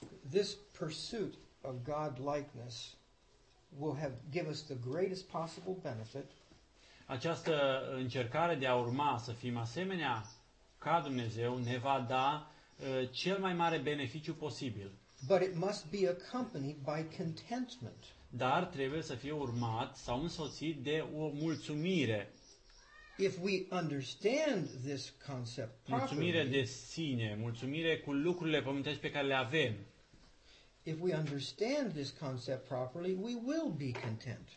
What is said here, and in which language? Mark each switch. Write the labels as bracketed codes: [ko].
[en] this pursuit of godlikeness will have give us the greatest possible benefit. [ro] Această încercare de a urma să fim asemenea ca Dumnezeu ne va da cel mai mare beneficiu posibil. [en] But it must be accompanied by contentment. [ro] Dar trebuie să fie urmat sau însoțit de o mulțumire. [en] If we understand this concept properly, [ro] mulțumire de sine, mulțumire cu lucrurile pământești pe care le avem. [en] If we understand this concept properly, we will be content.